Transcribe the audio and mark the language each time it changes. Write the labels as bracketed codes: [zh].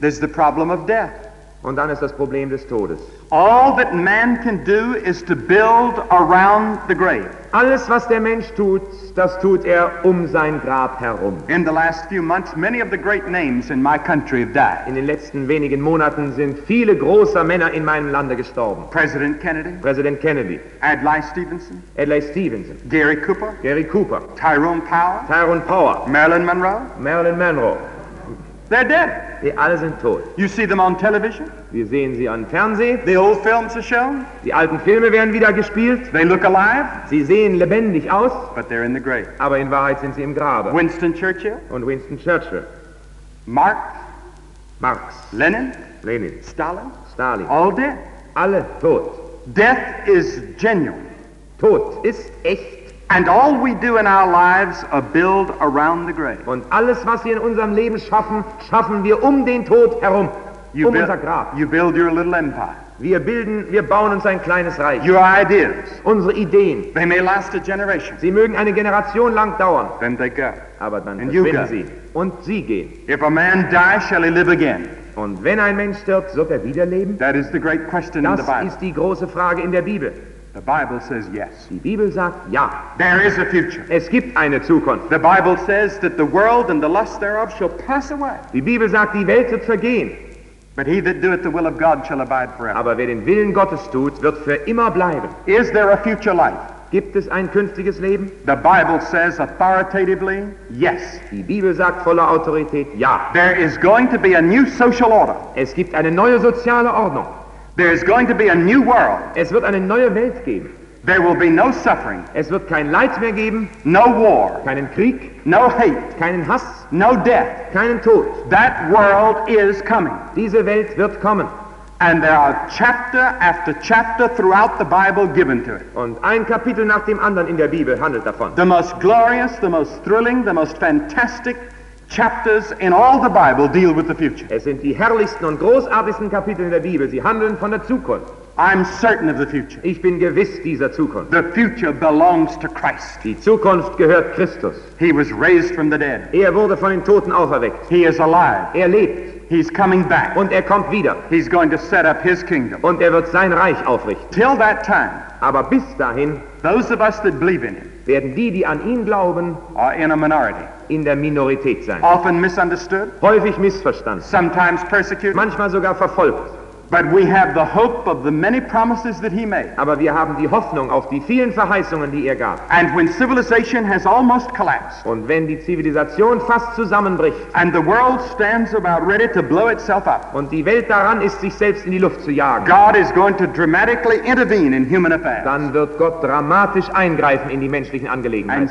[en] There's the problem of death. [de] Und dann ist das Problem des Todes. [en] All that man can do is to build around the grave. [de] Alles, was der Mensch tut, das tut um sein Grab herum. [en] In the last few months, many of the great names in my country have died. [de] In den letzten wenigen Monaten sind viele großer Männer in meinem Lande gestorben. [en] President Kennedy. [de] President Kennedy. [en] Adlai Stevenson. [de] Adlai Stevenson. [en] Gary Cooper. [de] Gary Cooper. [en] Tyrone Power. [de] Tyrone Power. [en] Marilyn Monroe. [de] Marilyn Monroe. [en] They're dead. [de] Die alle sind tot. [en] You see them on television. [de] Wir sehen sie an Fernsehen. [en] The old films are shown. [de] Die alten Filme werden wieder gespielt. [en] They look alive. [de] Sie sehen lebendig aus. [en] But they're in the grave. [de] Aber in Wahrheit sind sie im Grabe. [en] Winston Churchill. [de] Und Winston Churchill. [en] Marx. [de] Marx. [en] Lenin. [de] Lenin. [en] Stalin. [de] Stalin. [en] All dead. [de] Alle tot. [en] Death is genuine. [de] Tod ist echt. [en] And all we do in our lives are build around the grave. [de] Und alles, was wir in unserem Leben schaffen, schaffen wir den Tod herum. unser Grab. [en] You build your little empire. [de] Wir bauen uns ein kleines Reich. [en] Your ideas. [de] Unsere Ideen. [en] They may last a generation. [de] Sie mögen eine Generation lang dauern. [en] Then they go. [de] Aber dann verschwinden sie. Und sie gehen. [en] If a man dies, shall he live again? [de] Und wenn ein Mensch stirbt, wird er wieder leben? [en] That is the great question [de] das [en] in the Bible. [de] Das ist die große Frage in der Bibel. [en] The Bible says yes. [de] Die Bibel sagt ja. [en] There is a future. [de] Es gibt eine Zukunft. [en] The Bible says that the world and the lust thereof shall pass away. [de] Die Bibel sagt, die Welt wird vergehen. [en] But he that doeth the will of God shall abide forever. [de] Aber wer den Willen Gottes tut, wird für immer bleiben. [en] Is there a future life? [de] Gibt es ein künftiges Leben? [en] The Bible says authoritatively, yes. [de] Die Bibel sagt voller Autorität, ja. [en] There is going to be a new social order. [de] Es gibt eine neue soziale Ordnung. [en] There is going to be a new world. [de] Es wird eine neue Welt geben. [en] There will be no suffering. [de] Es wird kein Leid mehr geben. [en] No war. [de] Keinen Krieg. [en] No hate. [de] Keinen Hass. [en] No death. [de] Keinen Tod. [en] That world is coming. [de] Diese Welt wird kommen. [en] And there are chapter after chapter throughout the Bible given to it. [de] Und ein Kapitel nach dem anderen in der Bibel handelt davon. [en] The most glorious, the most thrilling, the most fantastic chapters in all the Bible deal with the future. [de] Es sind die herrlichsten und großartigsten Kapitel in der Bibel. Sie handeln von der Zukunft. [en] I'm certain of the future. [de] Ich bin gewiss dieser Zukunft. [en] The future belongs to Christ. [de] Die Zukunft gehört Christus. [en] He was raised from the dead. [de] Er wurde von den Toten auferweckt. [en] He is alive. [de] Er lebt. [en] He's coming back. [de] Und er kommt wieder. [en] He's going to set up his kingdom. [de] Und er wird sein Reich aufrichten. [en] Till that time. [de] Aber bis dahin. [en] Those of us that believe in him. [de] Werden die an ihn glauben, [en] are in a minority. [de] In der Minorität sein. [en] Often misunderstood. [de] Häufig missverstanden. [en] Sometimes persecuted. [de] Manchmal sogar verfolgt. [en] But we have the hope of the many promises that he made. [de] Aber wir haben die Hoffnung auf die vielen Verheißungen, die er gab. [en] And when civilization has almost collapsed. [de] Und wenn die Zivilisation fast zusammenbricht. [en] And the world stands about ready to blow itself up. [de] Und die Welt daran ist, sich selbst in die Luft zu jagen. [en] God is going to dramatically intervene in human affairs. [de] Dann wird Gott dramatisch eingreifen in die menschlichen Angelegenheiten.